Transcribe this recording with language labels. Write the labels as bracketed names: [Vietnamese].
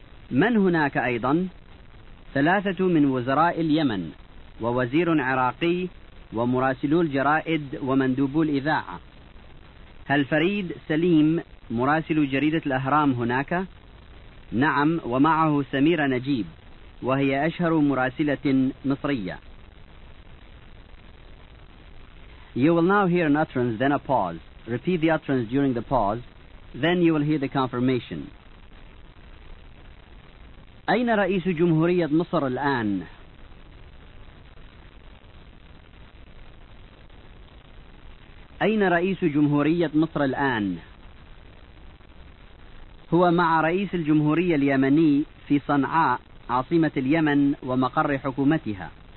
[Arabic] من هناك أيضا؟ ثلاثة من وزراء اليمن ووزير عراقي ومراسلو الجرائد ومندوبو الإذاعة. هل فريد سليم مراسل جريدة الأهرام هناك؟ نعم ومعه سميرة نجيب وهي أشهر مراسلة مصرية. [English] You will now hear an utterance, then a pause. Repeat the utterance during the pause, then you will hear the confirmation. [Arabic] أين رئيس جمهورية مصر الآن؟ أين رئيس جمهورية مصر الآن؟ هو مع رئيس الجمهورية اليمني في صنعاء عاصمة اليمن ومقر حكومتها.